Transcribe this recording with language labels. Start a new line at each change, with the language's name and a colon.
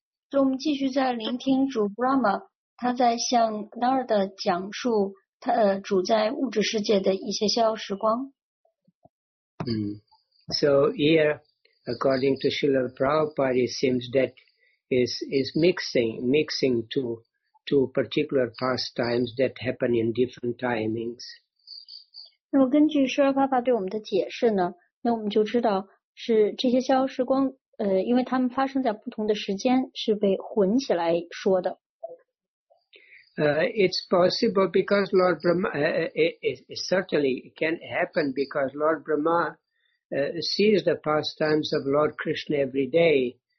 Chinese: So 我们继续在聆听主 Brahma 他在向 Narada 讲述他主在物质世界的一些逍遥时光。
English: So here, according to Srila Prabhupada, it seems that is mixing two particular pastimes that happen in different timings.
Chinese: 那么根据舒尔爸爸对我们的解释呢，那我们就知道是这些逍遥时光，因为它们发生在不同的时间，是被混起来说的。
English: It's possible because Lord Brahma, it certainly can happen because Lord Brahma sees the pastimes of Lord Krishna every day.